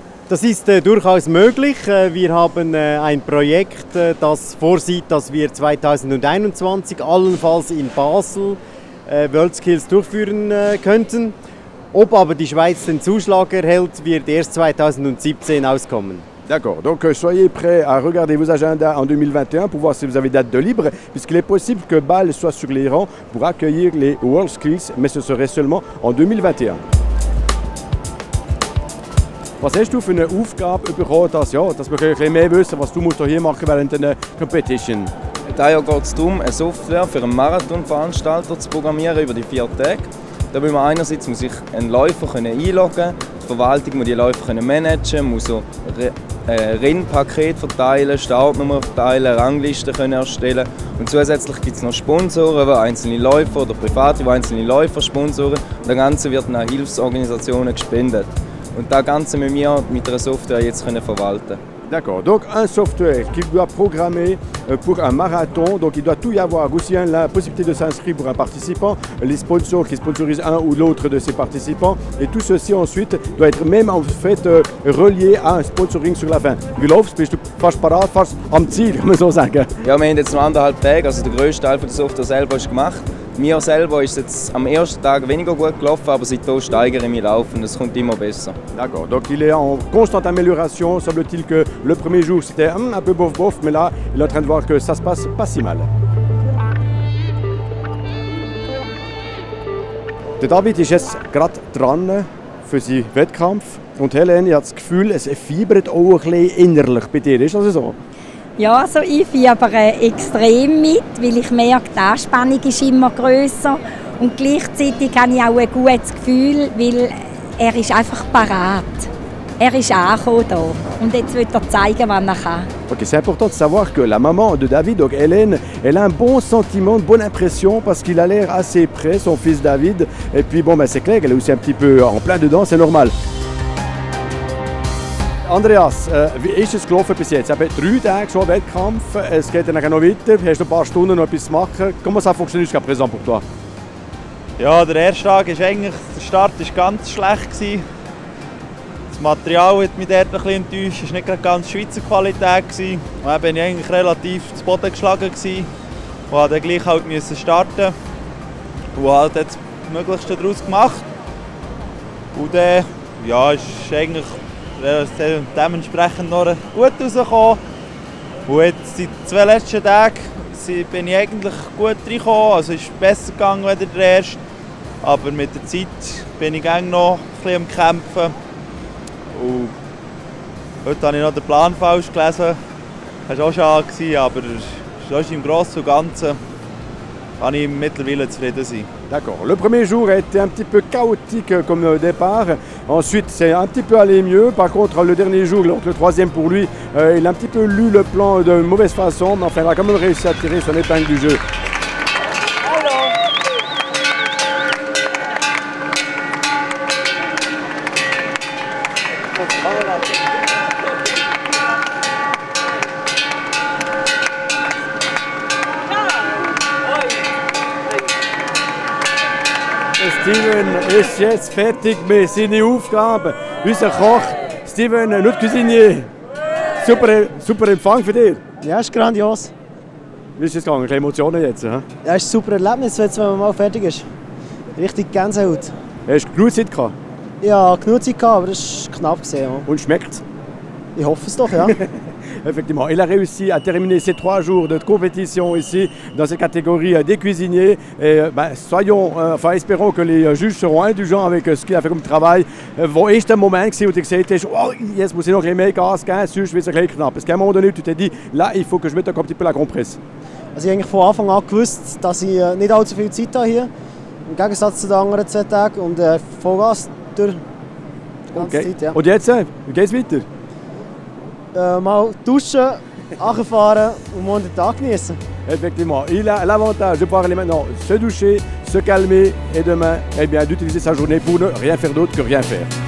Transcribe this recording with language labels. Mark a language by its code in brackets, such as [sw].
[de] Das ist durchaus möglich. Wir haben ein Projekt, das vorsieht, dass wir 2021 allenfalls in Basel Worldskills durchführen könnten. Ob aber die Schweiz den Zuschlag erhält, wird erst 2017 auskommen. [fr] D'accord, donc soyez prêts à regarder vos agendas en 2021 pour voir si vous avez date de libre, puisqu'il est possible que Bâle soit sur les rangs pour accueillir les World Skills, mais ce serait seulement en 2021. [de] Was hast du für eine Aufgabe überhaupt, dass, ja, dass wir ein bisschen mehr wissen, was du musst hier machen während deiner Competition? Daher geht es darum, eine Software für einen Marathonveranstalter zu programmieren über die 4 Tage. Da muss man einerseits muss ich einen Läufer einloggen können, die Verwaltung muss die Läufer managen, muss so Rennpaket verteilen, Startnummer verteilen, Ranglisten erstellen. Und zusätzlich gibt es noch Sponsoren, wo einzelne Läufer oder Private, wo einzelne Läufer sponsoren. Und das Ganze wird dann an Hilfsorganisationen gespendet. Und das Ganze müssen wir mit einer Software jetzt verwalten. [fr] D'accord, donc un software qu'il doit programmer pour un marathon, donc il doit tout y avoir, aussi la possibilité de s'inscrire pour un participant, les sponsors qui sponsorisent un ou l'autre de ces participants, et tout ceci ensuite doit être même en fait relié à un sponsoring sur la fin. [de] Wie läuft's? Bist du fast parat, fast am Ziel, kann man so sagen? Ja, wir haben jetzt noch anderthalb Tage, also der grösste Teil der Software selber ist gemacht. Mir selber ist jetzt am ersten Tag weniger gut gelaufen, aber seitdem steigere ich mich laufen. Es kommt immer besser. [fr] D'accord, donc il est en constante amélioration, semble-t-il que le premier jour c'était un peu bof-bof, mais là il est en train de voir que ça se passe pas si mal. [de] Der David ist jetzt gerade dran für seinen Wettkampf. Und Helene, ich habe das Gefühl, es fiebert auch ein bisschen innerlich bei dir. Ist das so? Ja, also ich fiebere extrem mit, weil ich merke, die Anspannung ist immer grösser. Und gleichzeitig habe ich auch ein gutes Gefühl, weil er ist einfach parat. Er ist angekommen hier. Und jetzt wird er zeigen, was er kann. [fr] Okay, c'est important de savoir que la maman de David, donc Hélène, elle a un bon sentiment, une bonne impression, parce qu'il a l'air assez prêt, son fils David. Et puis bon, ben c'est clair, elle est aussi un petit peu en plein dedans, c'est normal. [de] Andreas, wie ist es gelaufen bis jetzt? Eben 3 Tage schon Wettkampf, es geht dann noch weiter, du hast noch ein paar Stunden noch etwas zu machen. [fr] Comment ça fonctionne jusqu'à présent pour toi? [de] Ja, der erste Tag ist eigentlich, der Start war ganz schlecht. Das Material hat mich dort ein bisschen enttäuscht, es war nicht gerade ganz Schweizer Qualität. Und dann bin ich eigentlich relativ zu Boden geschlagen und musste dann gleich halt starten. Und habe das Möglichste daraus gemacht. Und dann, ja, ist eigentlich dementsprechend noch gut rausgekommen. Und jetzt, die 2 letzten Tage bin ich eigentlich gut reingekommen. Also ist besser gegangen als der erste. Aber mit der Zeit bin ich gerne noch ein bisschen am Kämpfen. Und heute habe ich noch den Plan falsch gelesen. Das war auch schade, aber sonst im Grossen und Ganzen kann ich mittlerweile zufrieden sein. [fr] D'accord. Le premier jour a été un petit peu chaotique comme départ. Ensuite, c'est un petit peu allé mieux. Par contre, le dernier jour, donc le troisième pour lui, il a un petit peu lu le plan d'une mauvaise façon. Mais enfin, il a quand même réussi à tirer son épingle du jeu. [de] Hello. Steven ist jetzt fertig mit seiner Aufgabe. Unser Koch, Steven, [fr] notre cuisinier. [de] Super, super Empfang für dich. Ja, ist grandios. Wie ist es gegangen? Keine Emotionen jetzt? Ja, ist ein super Erlebnis, wenn man mal fertig ist. Richtig Gänsehaut. Hast du genug Zeit gehabt? Ja, genug Zeit gehabt, aber es war knapp gesehen. Ja. Und schmeckt's? Ich hoffe es doch, ja. [fr] Effectivement, il a réussi à terminer ses trois jours de compétition ici dans cette catégorie des cuisiniers. Et ben, soyons, enfin, espérons que les juges seront indulgents avec ce qu'il a fait comme travail. Vos erste Moment, si vous avez dit, oh, yes, vous avez noch aimé, gas, gas, sus, je vais se réveiller knapp. Parce qu'à un moment donné, tu t'es dit, là, il faut que je mette un petit peu la compresse. [de] Also, ich habe von Anfang an gewusst, dass ich nicht allzu viel Zeit habe hier. Im Gegensatz zu den anderen zwei Tagen. Und Vollgas durch die ganze Zeit, ja. Und jetzt, wie geht's weiter? Mal duschen, anfahren und morgen den Tag genießen. [fr] Effectivement. Il a l'avantage de pouvoir aller maintenant se doucher, se calmer et demain, eh bien, d'utiliser sa journée pour ne rien faire d'autre que rien faire.